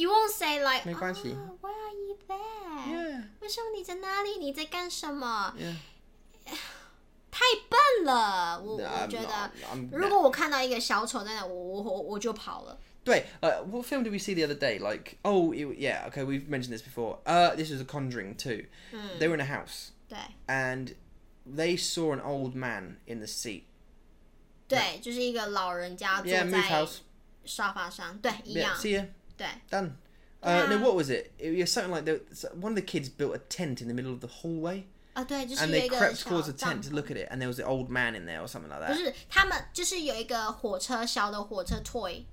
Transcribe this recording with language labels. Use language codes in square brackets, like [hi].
[en] You won't say like, oh, why are you there? Yeah. [zh] 为什么你在哪里?你在干什么? Yeah. 太笨了，我觉得。如果我看到一个小丑在那， 我就跑了。 [en] 对, what film did we see the other day? Like, oh, yeah, okay, we've mentioned this before. This is a Conjuring 2. They were in a house. [zh] 对。 [en] And they saw an old man in the seat. [zh] 对, 就是一个老人家坐在沙发上, 对, 一样, [en] see ya, [zh] 对, [en] done. No, what was it? It was something like, one of the kids built a tent in the middle of the hallway, [zh] 啊, 对, 就是有一个, [en] and they crept towards the tent to look at it, and there was an old man in there, or something like that. [zh] 不是,他们就是有一个火车, 小的火车, toy,